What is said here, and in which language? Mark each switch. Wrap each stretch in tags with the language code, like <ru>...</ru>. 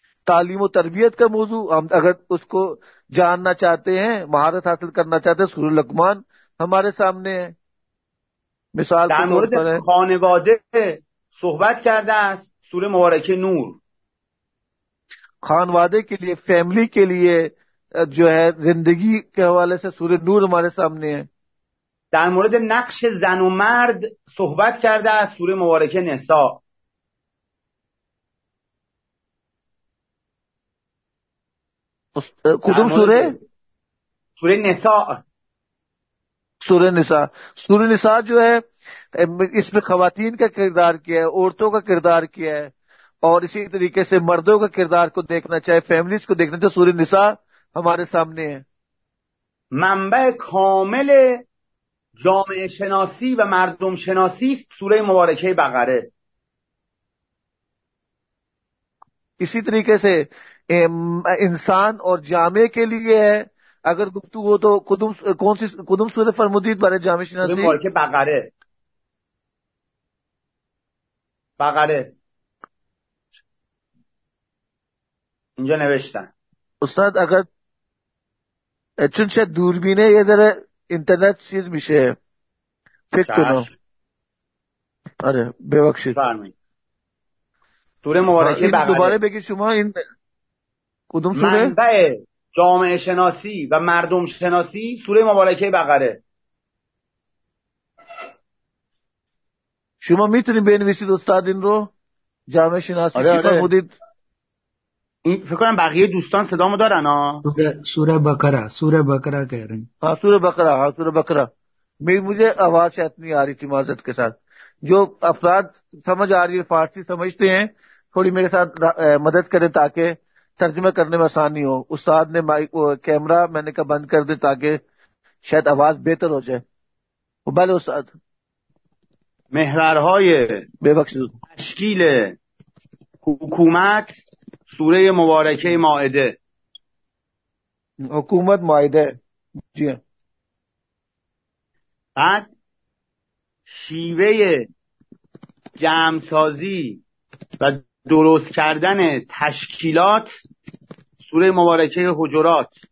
<ur>تعلیم و تربیت کا موضوع ہم اگر اس کو جاننا چاہتے ہیں، مہارت حاصل کرنا چاہتے ہیں، سورہ لقمان ہمارے سامنے ہے. مثال</ur> <fa>در مورد خانواده صحبت کرده است، سوره مبارکه نور.</fa> <ur>خانواده کے لیے، فیملی کے لیے جو ہے زندگی کے حوالے سے سورہ نور ہمارے سامنے ہے.</ur> <fa>در مورد نقش زن و مرد صحبت کرده است، سوره مبارکه نساء. کدوم سوره؟ سوره نساء.</fa> <ur>سوره نساء جو ہے اس میں خواتین کا کردار کیا ہے، عورتوں کا کردار کیا ہے، اور اسی طریقے سے مردوں کا کردار کو دیکھنا چاہے، فیملیز کو دیکھنا چاہے، سوره نساء ہمارے سامنے ہے.</ur> <fa>منبع کامل جامعه شناسی و مردم شناسی سوره مبارکه بقره.</fa> <ur>اسی طریقے سے انسان اور جامعه کے لیے ہے. اگر گفتگو ہو تو</ur> <fa>کدوم سورہ فرمودید بارے جامعه شناسی؟</fa> <ur>سورہ مبارکہ بقرہ.</ur> <fa>بقرہ اینجا نوشتن استاد. اگر چون شاید دوربینه یه ذره انٹرنیٹ چیز میشه، فکر کنو. آره ببخشید،</fa> <ur>سورہ مبارکہ بقرہ</ur> <fa>دوباره بگی شما. این کدوم سوره؟ منبع جامعه شناسی و مردم شناسی سوره مبارکه بقره. شما میتونید بنویسید استاد این رو؟ جامعه شناسی چی فرمودید؟ فکر کنم بقیه دوستان صدامو دارن ها.</fa> <ur>سوره بقره کہہ رہے ہیں. سوره بقره مجھے آواز شاید نہیں آ رہی تھی، معذرت کے ساتھ. جو افراد سمجھ آ رہی ہے، فارسی سمجھتے ہیں، تھوڑی میرے ساتھ مدد کریں تاکہ ترجمہ کرنے میں آسانی ہو. استاد نے کیمرہ میں نے کہا بند کر دے تاکہ شاید آواز بہتر ہو جائے. بھلے استاد.</ur> <fa>محورهای تشکیل حکومت سوره مبارکه مائده.</fa> <ur>حکومت مائده جی.</ur> <fa>بعد شیوه جمع‌سازی و درست کردن تشکیلات سوره مبارکه حجرات.</fa>